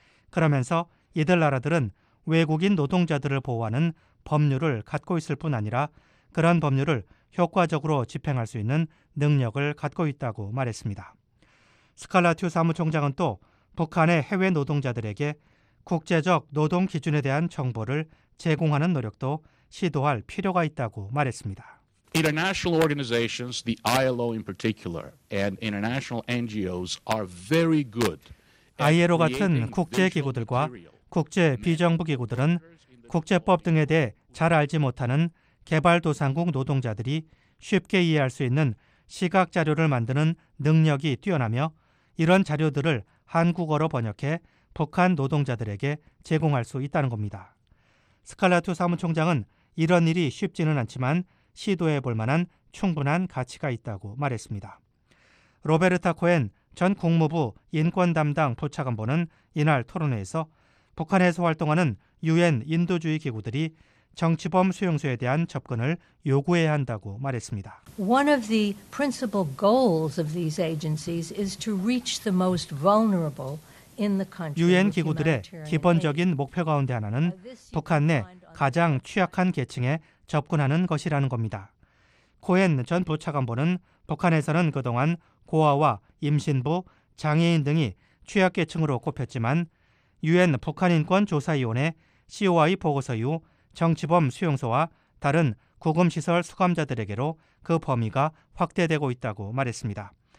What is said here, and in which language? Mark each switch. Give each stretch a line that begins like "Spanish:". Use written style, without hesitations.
Korean: 그러면서 이들 나라들은 외국인 노동자들을 보호하는 법률을 갖고 있을 뿐 아니라 그런 법률을 효과적으로 집행할 수 있는 능력을 갖고 있다고 말했습니다. 스칼라투 사무총장은 또 북한의 해외 노동자들에게 국제적 노동 기준에 대한 정보를 제공하는 노력도 시도할 필요가 있다고 말했습니다.
English: International organizations, the ILO in particular, and international NGOs are very good.
Korean: ILO 같은 국제기구들과 국제비정부기구들은 국제법 등에 대해 잘 알지 못하는 개발도상국 노동자들이 쉽게 이해할 수 있는 시각자료를 만드는 능력이 뛰어나며 이런 자료들을 한국어로 번역해 북한 노동자들에게 제공할 수 있다는 겁니다. 스칼라투 사무총장은 이런 일이 쉽지는 않지만 시도해 볼 만한 충분한 가치가 있다고 말했습니다. 로베르타 코엔 전 국무부 인권 담당 부차관보는 이날 토론회에서 북한에서 활동하는 유엔 인도주의 기구들이 정치범 수용소에 대한 접근을 요구해야 한다고 말했습니다.
English: One of the principal goals of these agencies is to reach the most vulnerable in the country.
Korean: 유엔 기구들의 기본적인 목표 가운데 하나는 북한 내 가장 취약한 계층에 접근하는 것이라는 겁니다. 코엔 전 부차관보는 북한에서는 그동안 고아와 임신부, 장애인 등이 취약계층으로 꼽혔지만 유엔 북한인권조사위원회 COI 보고서 이후 정치범 수용소와 다른 구금시설 수감자들에게로 그 범위가 확대되고 있다고 말했습니다.